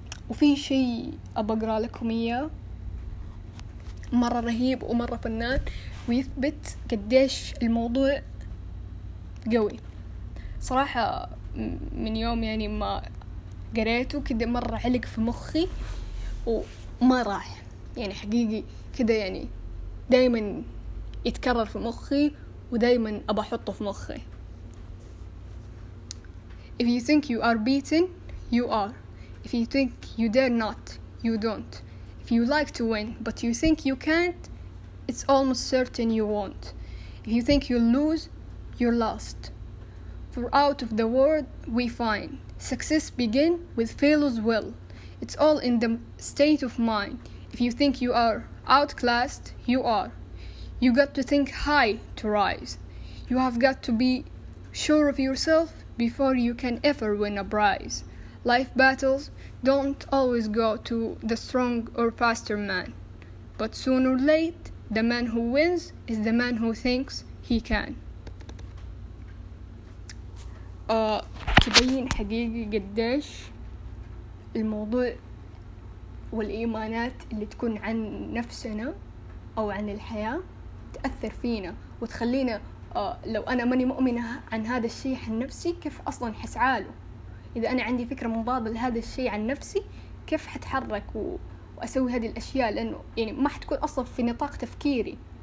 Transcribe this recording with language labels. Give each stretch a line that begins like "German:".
Arabic: وفي شيء ابقرا لكم اياه مرة رهيب ومرة فنان ويثبت قديش الموضوع قوي صراحة. من يوم يعني ما قريته كده مرة علق في مخي وما راح، يعني حقيقي كده يعني دايما يتكرر في مخي ودايما أبا أحطه في مخي.
English: If you think you are beaten, you are. If you think you dare not, you don't. If you like to win, but you think you can't, it's almost certain you won't. If you think you'll lose, you're lost. For out of the world we find, success begin with failure's will. It's all in the state of mind. If you think you are outclassed, you are. You got to think high to rise. You have got to be sure of yourself before you can ever win a prize. Life battles don't always go to the strong or faster man, but sooner or late, the man who wins is the man who thinks he can.
Arabic: تبين حقيقي قديش الموضوع والإيمانات اللي تكون عن نفسنا أو عن الحياة تأثر فينا وتخلينا لو أنا ماني مؤمنة عن هذا الشيء عن نفسي كيف أصلاً حسعاله؟ إذا أنا عندي فكرة مضادة لهذا الشيء عن نفسي كيف حتحرك وأسوي هذه الأشياء، لأنه يعني ما حتكون أصلا في نطاق تفكيري.